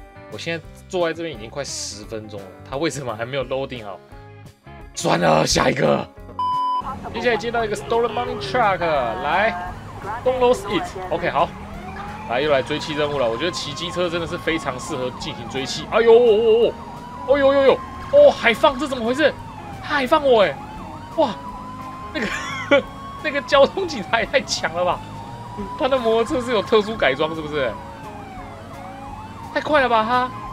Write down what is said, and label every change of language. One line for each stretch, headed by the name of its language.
Chinese: 我现在坐在这边已经快十分钟了，他为什么还没有 loading 好？赚了，下一个。接下来接到一个
English: stolen money truck，
Chinese: 来
English: ，don't lose it。
Chinese: OK， 好，来又来追气任务了。我觉得骑机车真的是非常适合进行追气。哎呦，哦呦，哦海放，这怎么回事？他海放我哎，哇，那个交通警察也太强了吧？他的摩托车是有特殊改装是不是？太快了吧哈！